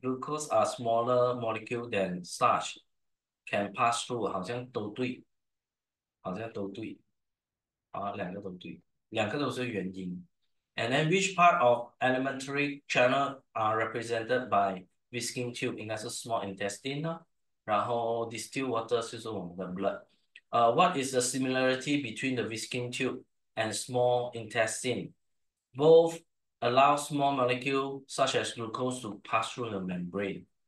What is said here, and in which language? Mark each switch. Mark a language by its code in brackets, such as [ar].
[en] Glucose are smaller molecule than starch, can pass through， [zh] 好像都对。好像都对，啊，两个都对，两个都是元音。 [en] And then which part of alimentary channel are represented by visking tube？ [zh] 应该是 small intestine 啊。然后 distilled water 就是我们的 blood。 [en] What is the similarity between the visking tube and small intestine？Both allow small molecule such as glucose to pass through the membrane.